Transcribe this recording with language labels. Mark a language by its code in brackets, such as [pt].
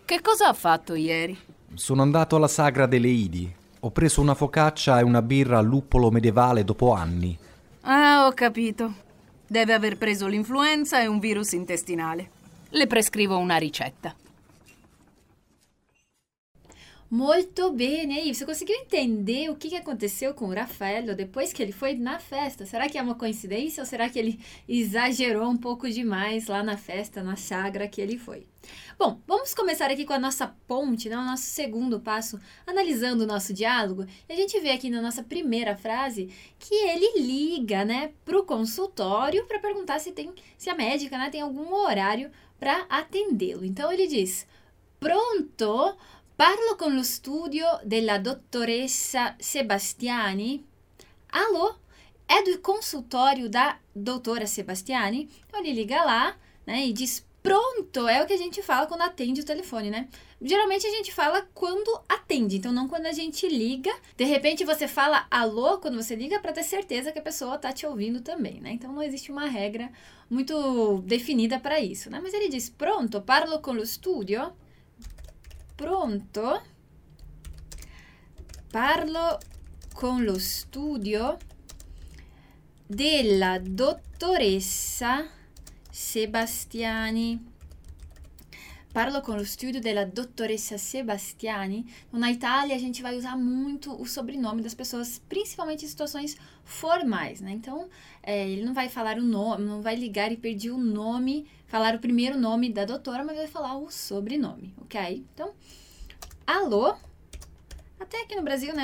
[it] Che cosa ha fatto ieri? Sono andato alla sagra delle Idi. Ho preso una focaccia e una birra al luppolo medievale dopo anni. Ah, ho capito. Deve aver preso l'influenza e un virus intestinale. Le prescrivo una ricetta. [pt] Molto bene, e aí, você conseguiu entender o que aconteceu com o Rafael depois que ele foi na festa? Será que é uma coincidência ou será que ele exagerou um pouco demais lá na festa, na sagra que ele foi? Bom, vamos começar aqui com a nossa ponte, né, o nosso segundo passo, analisando o nosso diálogo. E a gente vê aqui na nossa primeira frase que ele liga, né, para o consultório para perguntar se a médica, né, tem algum horário para atendê-lo. Então ele diz: Pronto. [it] Parlo con lo studio della dottoressa Sebastiani. Allô? È del consultório da dottora Sebastiani? [pt] Então ele liga lá, né, e diz: Pronto! É o que a gente fala quando atende o telefone, né? Geralmente a gente fala quando atende, então não quando a gente liga. De repente você fala alô quando você liga para ter certeza que a pessoa está te ouvindo também, né? Então não existe uma regra muito definida para isso, né? Mas ele diz: [it] Pronto, parlo con lo studio. Pronto? Parlo con lo studio della dottoressa Sebastiani. Parlo con lo studio della dottoressa Sebastiani. [pt] Na Itália, a gente vai usar muito o sobrenome das pessoas, principalmente em situações formais, né? Então, ele não vai falar o nome, não vai ligar e pedir o nome, falar o primeiro nome da doutora, mas vai falar o sobrenome, ok? Então, alô? Até aqui no Brasil, né?